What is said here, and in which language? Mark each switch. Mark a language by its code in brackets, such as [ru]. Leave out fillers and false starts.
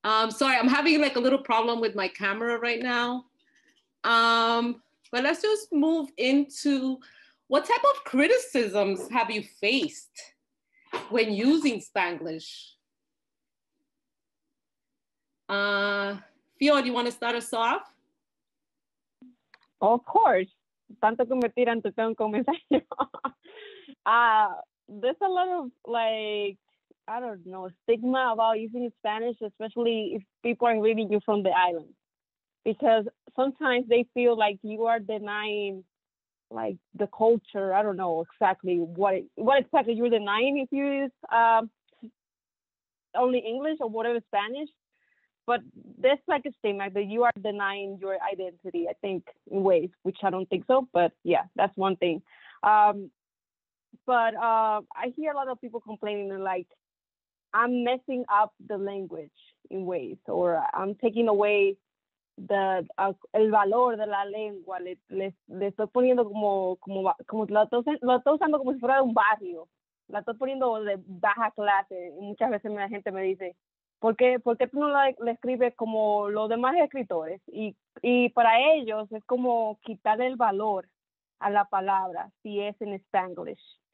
[en] Sorry, I'm having like a little problem with my camera right now. But let's just move into what type of criticisms have you faced when using Spanglish? Fior, do you want to start us off? Of course. [es] Tanto que me tiran, te tengo un comentario. [en] There's a lot of like, I don't know, stigma about using Spanish, especially if people are reading you from the island, because sometimes they feel like you are denying, like, the culture. I don't know exactly what exactly you're denying if you use only English or whatever Spanish, but there's like a stigma that you are denying your identity, I think, in ways, which I don't think so, but yeah, that's one thing. But I hear a lot of people complaining that, like, I'm messing up the language in ways, or I'm taking away the [es] el valor de la lengua. Le estoy poniendo como lo estoy usando como si fuera un barrio. La estoy poniendo de baja clase. Y muchas veces la gente me dice, ¿por qué tú no la escribes como los demás escritores? Y para ellos es como quitar el valor a la palabra si es en Spanglish.